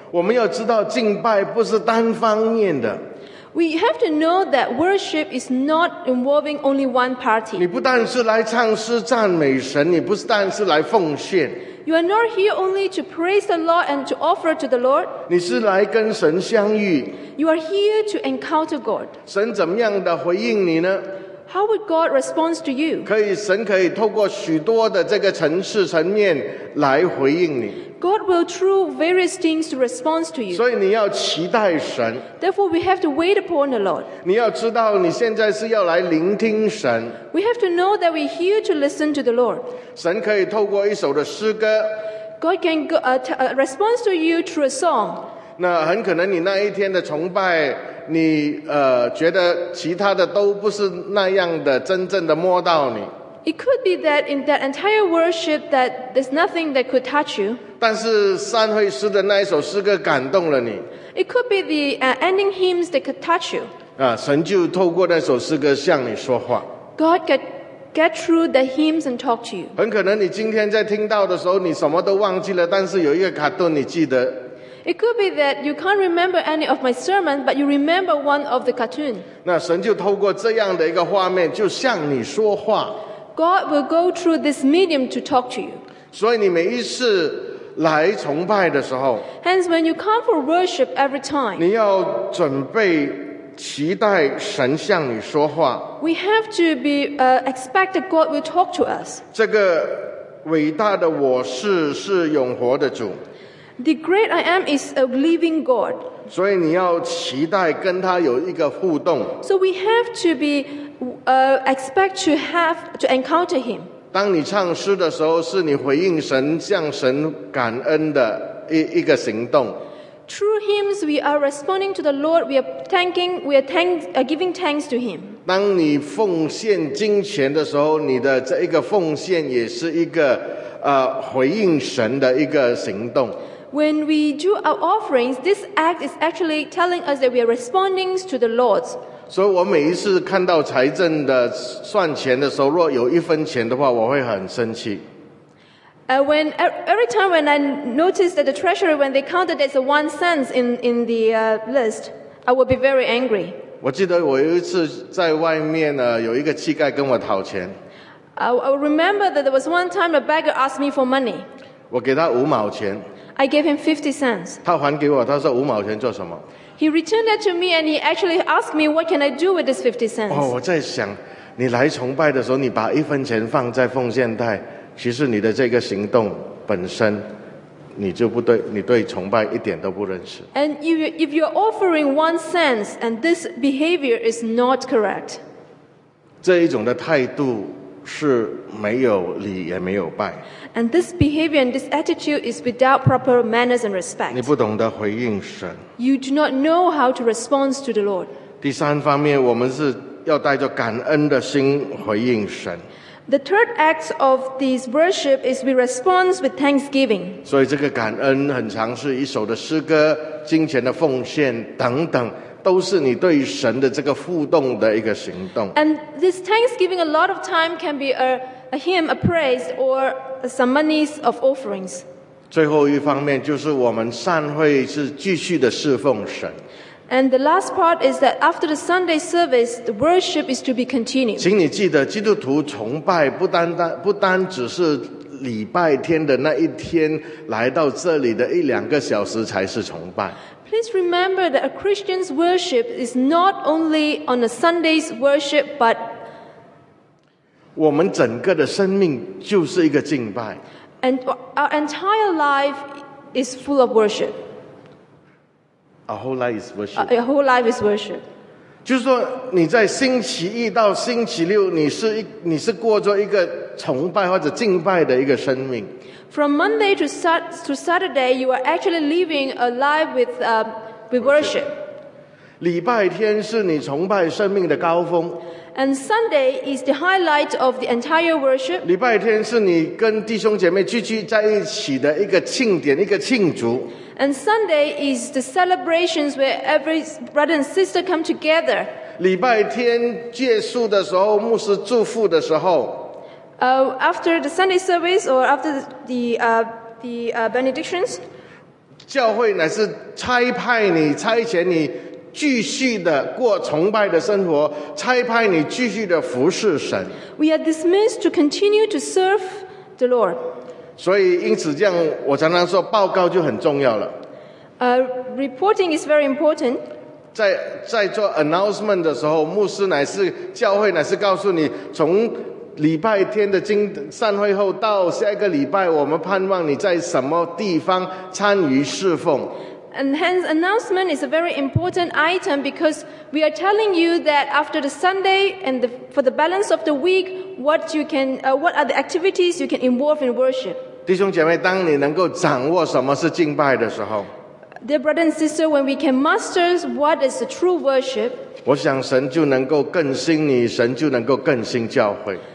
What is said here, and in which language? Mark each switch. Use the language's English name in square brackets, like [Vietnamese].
[Chinese] 我们要知道敬拜不是单方面的。 [English] We have to know that worship is not involving only one party. [Chinese] 你不但是来唱诗赞美神，你不但是来奉献。 [English] You are not here only to praise the Lord and to offer to the Lord. [Chinese] 你是来跟神相遇。 [English] You are here to encounter God. [Chinese] 神怎么样的回应你呢？ [English] How would God respond to you? [Chinese] 可以，神可以透过许多的这个层次层面来回应你。 [English] God will through various things to respond to you. [Chinese] 所以你要期待神。 [English] Therefore, we have to wait upon the Lord. [Chinese] 你要知道你现在是要来聆听神。 [English] We have to know that we're here to listen to the Lord. [Chinese] 神可以透过一首的诗歌。 [English] God can respond to you through a song. [Chinese] 那很可能你那一天的崇拜你觉得其他的都不是那样的真正的摸到你。 [English] It could be that in that entire worship that there's nothing that could touch you. [Chinese] 但是善会师的那一首诗歌感动了你。 [English] It could be the ending hymns that could touch you. [Chinese] 神就透过那首诗歌向你说话。 [English] God get through the hymns and talk to you. [Chinese] 很可能你今天在听到的时候你什么都忘记了，但是有一个卡顿你记得。 [English] It could be that you can't remember any of my sermon, but you remember one of the cartoon. [Chinese] 那神就透过这样的一个画面就向你说话。 [English] God will go through this medium to talk to you. [Chinese] 所以你每一次来崇拜的时候。 [English] Hence, when you come for worship every time. [Chinese] 你要准备期待神向你说话。 [English] We have to be, expect that God will talk to us. [Chinese] 这个伟大的我是，是永活的主。 [English] The great I am is a living God. [Chinese] 所以你要期待跟他有一个互动。 [English] So we have to be, expect to have to encounter him. [Chinese] 当你唱诗的时候，是你回应神、向神感恩的一个行动。 [English] Through hymns, we are responding to the Lord. We are thanking. We are giving thanks to him. [Chinese] 当你奉献金钱的时候，你的这一个奉献也是一个回应神的一个行动。 [English] When we do our offerings, this act is actually telling us that we are responding to the Lord. [Chinese] 所以我每一次看到财政的算钱的时候，若有一分钱的话，我会很生气。 [English] When every time when I notice that the treasury when they counted there's a 1 cent in the list, I will be very angry. [Chinese] 我记得我有一次在外面有一个乞丐跟我讨钱。 [English] I remember that there was one time a beggar asked me for money. [Chinese] 我给他五毛钱。 [English] I gave him 50 cents. [Chinese] 他还给我，他说五毛钱做什么？ [English] He returned that to me and he actually asked me, what can I do with this 50 cents? [Chinese] 我在想，你来崇拜的时候，你把一分钱放在奉献袋，其实你的这个行动本身，你就不对，你对崇拜一点都不认识。 [English] And if you're offering 1 cent and this behavior is not correct. [Chinese] 这一种的态度是没有礼也没有拜。 [English] And this behavior and this attitude is without proper manners and respect. [Chinese] 你不懂得回应神。 [English] You do not know how to respond to the Lord. [Chinese] 第三方面，我们是要带着感恩的心回应神。 [English] The third act of this worship is we respond with thanksgiving. [Chinese] 所以这个感恩很常是一首的诗歌、金钱的奉献等等。都是你对神的这个互动的一个行动。 [English] And this thanksgiving a lot of time can be a hymn, a praise, or some monies of offerings. [Chinese] 最后一方面就是我们善会是继续的侍奉神。 [English] And the last part is that after the Sunday service, the worship is to be continued. [Chinese] 请你记得，基督徒崇拜不单只是礼拜天的那一天来到这里的一两个小时才是崇拜。 [English] Please remember that a Christian's worship is not only on a Sunday's worship, but [Chinese] 我们整个的生命就是一个敬拜。 [English] And our entire life is full of worship. Our whole life is worship. Our whole life is worship. [Chinese] 就是说你在星期一到星期六你是过着一个崇拜或者敬拜的一个生命。 [English] From Monday to Saturday, you are actually living a life with worship. [Chinese] 礼拜天是你崇拜生命的高峰。 [English] And Sunday is the highlight of the entire worship. [Chinese] 礼拜天是你跟弟兄姐妹聚集在一起的一个庆典，一个庆祝。 [English] And Sunday is the celebrations where every brother and sister come together. [Chinese] 礼拜天结束的时候，牧师祝福的时候。 [English] After the Sunday service or after the benedictions, [Chinese] 教会乃是差派你、差遣你继续的过崇拜的生活，差派你继续的服侍神。 [English] We are dismissed to continue to serve the Lord. [Chinese] 所以，因此这样，我常常说，报告就很重要了。 [English] Reporting is very important. [Chinese] 在做 announcement 的时候，牧师乃是教会乃是告诉你，从礼拜天的经散会后到下一个礼拜，我们盼望你在什么地方参与侍奉。 [English] And hence, announcement is a very important item because we are telling you that after the Sunday and the, for the balance of the week, what you can, what are the activities you can involve in worship. [Chinese] 弟兄姐妹，当你能够掌握什么是敬拜的时候， [English] dear brother and sister, when we can master what is the true worship, [Chinese] 我想神就能够更新你，神就能够更新教会。